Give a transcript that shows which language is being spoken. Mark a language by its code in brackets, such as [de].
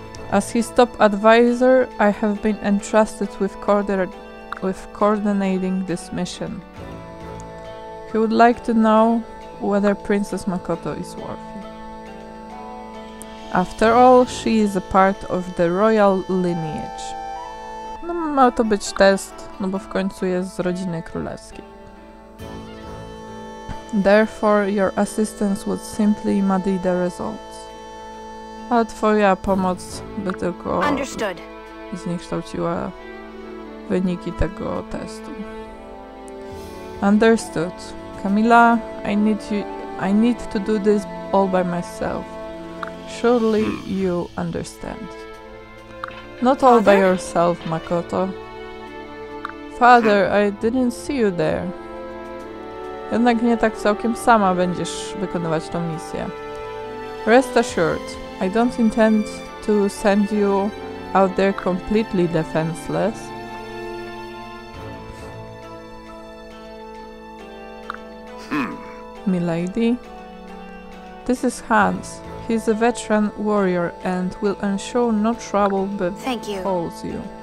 [en] As his top advisor, I have been entrusted with coordinating this mission. He would like to know whether Princess Makoto is worthy. After all, she is a part of the royal lineage. [pl] No, ma to być test, no bo w końcu jest z rodziny królewskiej. [en] Therefore, your assistance would simply muddy the results. [pl] A twoja pomoc by tylko zniekształciła wyniki tego testu. [en] Understood. Camilla, I need to do this all by myself. Surely you understand. Not all by yourself, Makoto. Father, I didn't see you there. [pl] Jednak nie tak całkiem sama będziesz wykonywać tą misję. [en] Rest assured, I don't intend to send you out there completely defenseless. Milady, this is Hans. He's a veteran warrior and will ensure no trouble befalls you.